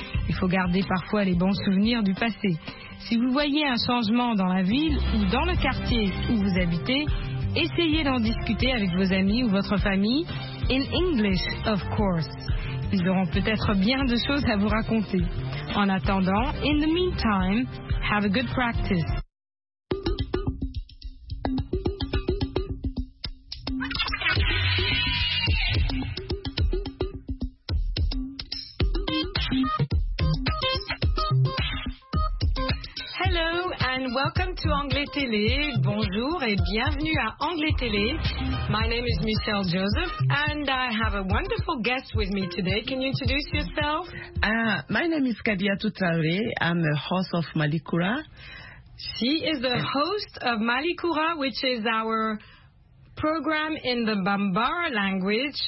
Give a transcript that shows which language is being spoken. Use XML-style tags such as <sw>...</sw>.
<fr>Il faut garder parfois les bons souvenirs du passé. Si vous voyez un changement dans la ville ou dans le quartier où vous habitez, essayez d'en discuter avec vos amis ou votre famille.</fr> <en>In English, of course.</en> <fr>Ils auront peut-être bien de choses à vous raconter. En attendant,</fr> <en>in the meantime, have a good practice. and welcome to Anglais Télé.</en> <fr>Bonjour et bienvenue à Anglais Télé.</fr> <en>My name is Michelle Joseph and I have a wonderful guest with me today. Can you introduce yourself? My name is Kadia Toutare. I'm a host of Malikura. She is the host of Malikura, which is our program in the Bambara language.</en>